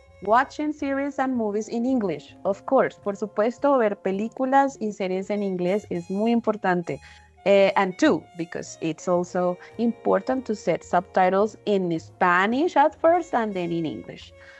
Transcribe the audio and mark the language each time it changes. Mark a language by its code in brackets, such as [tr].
[en] Watching series and movies in English, of course. [es] Por supuesto, ver películas y series en inglés es muy importante. [en] And two, because it's also important to set subtitles in Spanish at first and then in English.